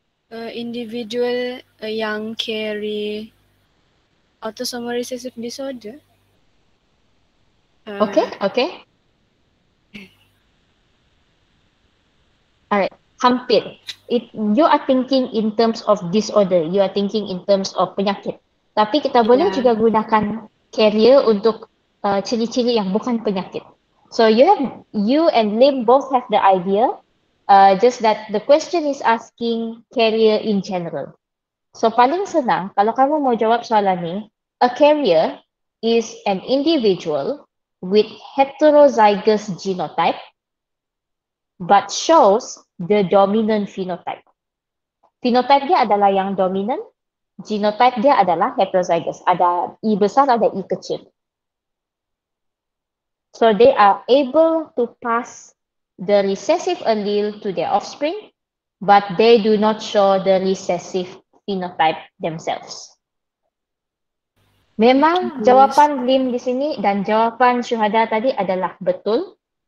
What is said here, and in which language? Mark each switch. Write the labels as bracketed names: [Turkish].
[English] Individual yang carry autosomal recessive disorder. Okay. All right, hampir. It, you are thinking in terms of disorder. You are thinking in terms of penyakit. [Malay] Tapi kita boleh juga gunakan carrier untuk ciri-ciri yang bukan penyakit. [English] So you have, you and Lim both have the idea, just that the question is asking carrier in general. So [Malay] paling senang, kalau kamu mau jawab soalan ni, [English] a carrier is an individual with heterozygous genotype, but shows the dominant phenotype. [Malay] Phenotype dia adalah yang dominant, genotype dia adalah heterozygous. Ada I besar, ada I kecil. [English] So they are able to pass the recessive allele to their offspring, but they do not show the recessive phenotype themselves. [Malay] Memang jawapan Lim di sini dan jawapan Syuhada tadi adalah betul.